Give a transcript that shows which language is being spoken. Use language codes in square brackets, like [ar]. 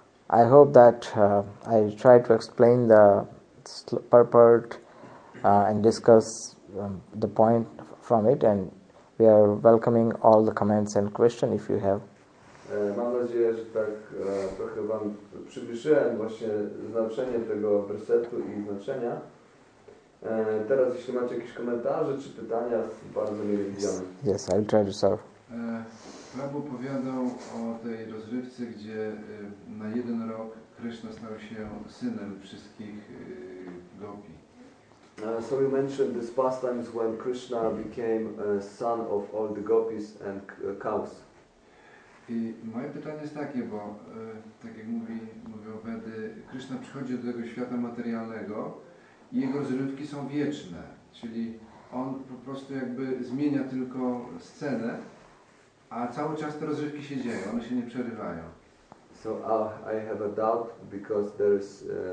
[en] I hope that I try to explain the purport and discuss the point from it, and we are welcoming all the comments and questions if you have. [pl] Mam nadzieję, że tak trochę wam przybliżyłem właśnie znaczenie tego wersetu i znaczenia. Teraz jeśli macie jakieś komentarze czy pytania, bardzo mile widzimy. [en] Yes, I'll try to serve. [pl] Prabhu opowiadał o tej rozrywce, gdzie na jeden rok Krishna stał się synem wszystkich gopi. [en] So you mentioned this pastime is when Krishna became son of all the gopis and cows. [pl] I moje pytanie jest takie, bo tak jak mówią Wedy, Krishna przychodzi do tego świata materialnego i jego rozrywki są wieczne, czyli on po prostu jakby zmienia tylko scenę. A cały czas te rozrywki się dzieją, one się nie przerywają. [en] So I have a doubt because there is